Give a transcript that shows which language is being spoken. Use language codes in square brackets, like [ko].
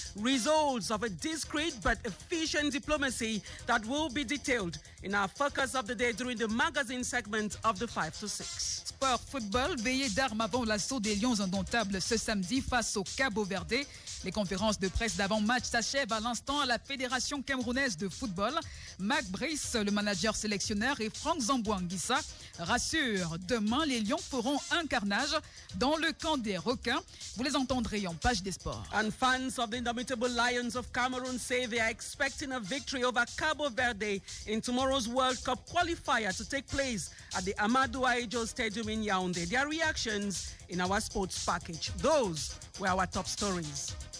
[en] Results of a discreet but efficient diplomacy that will be detailed in our focus of the day during the magazine segment of the 5 to 6. [fr] Sport football, veillée d'armes avant l'assaut des Lions indomptables ce samedi face au Cabo Verde. Les conférences de presse d'avant-match s'achèvent à l'instant à la Fédération camerounaise de football. Mac Brice, le manager sélectionneur, et Franck Zambouanguissa rassurent. Demain, les Lions feront un carnage dans le camp des requins. Vous les entendrez en page des sports. [en] And fans of the indomitable Lions of Cameroon say they are expecting a victory over Cabo Verde in tomorrow's World Cup qualifier to take place at the Amadou Ahidjo Stadium in Yaoundé. Their reactions in our sports package. Those were our top stories.